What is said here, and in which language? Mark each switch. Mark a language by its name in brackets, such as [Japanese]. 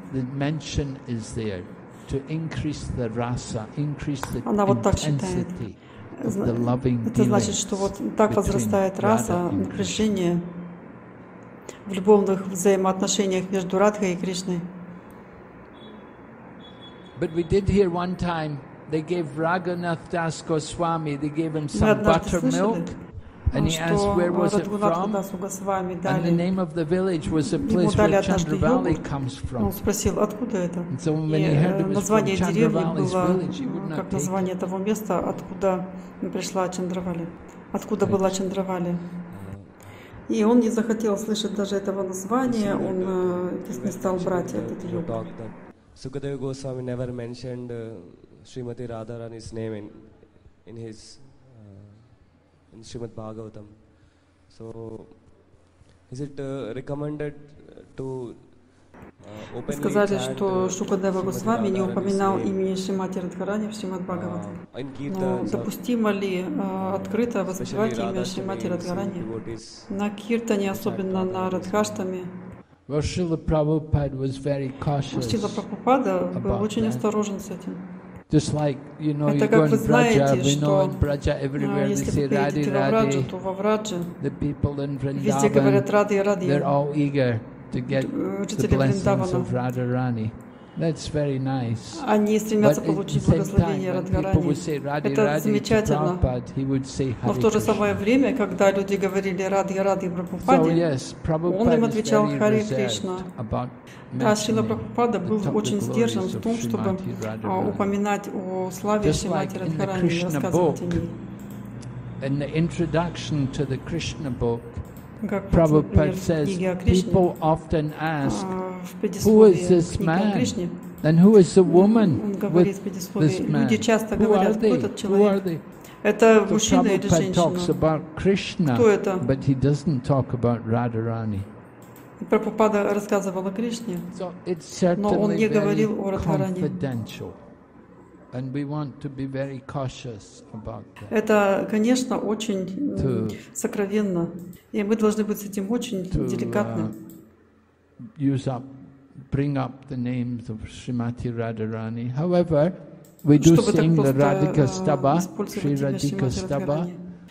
[English] The mention is there to increase the rasa, increase the intensity of the loving dealings between Radha. [Russian] Это значит, что вот так возрастает раса, напряжение в любовных взаимоотношениях между Радхой и Кришной. [English] But we did hear one time they gave Raghunath Das Goswami, they gave him some buttermilk, and he asked where was it from. And the name of the village was a place where Chandravali comes from. [Russian] Он спросил, откуда это? [English] And so when he heard it was from Chandravali's village, he would not take it. [Russian] Как название того места, откуда пришла Чандравали? Откуда была Чандравали? И он не захотел слышать даже этого названия, он не стал брать этот йог. [English] Sukadeva Goswami never mentioned Srimati Radharani's name in his in Srimad Bhagavatam. So is it recommended to openly [Russian] сказали, что Шукадева Госвами не упоминал имени Шримати Радхарани в Шримад Бхагаватам. Но допустимо ли открыто воспевать имя Шримати Радхарани на киртане, особенно на радхаштаме? [English] Шрила Прабхупада was very cautious. [Russian] Шрила Прабхупада был очень осторожен с этим. [English] Just like, you know, you go in Braja, we know in Braja everywhere they say Radhi Radhi. The people in Vrindavan, they're all eager to get the blessings of Radharani. That's very nice. [Russian] Они стремятся получить благословение Радхарани. Это замечательно. [English] He would say [Russian] Но в то же самое время, когда люди говорили Радхи Радхи Прабхупаде, [English] so, yes, [Russian] он им отвечал Хари Кришна. Да, Шрила Прабхупада был очень сдержан в том, чтобы упоминать о славе Шримати Радхарани, рассказывать о ней. [English] In the introduction to the Krishna book, [Russian] как, [English] Prabhupada says, people often ask, who is this man? And who is the woman with this man? Who are they? Who are they? [Russian] Это мужчина или женщина? [English] Talks about Krishna, but he doesn't talk about Radharani. [Russian] Прабхупада рассказывал о Кришне, но он не говорил о Радхарани. [English] And we want to be very cautious about that. [Russian] Это, конечно, очень сокровенно, и мы должны быть с этим очень деликатны. [English] Bring up the names of Srimati Radharani. However, we do sing the Radhika Stabha, Sri Radhika Stabha.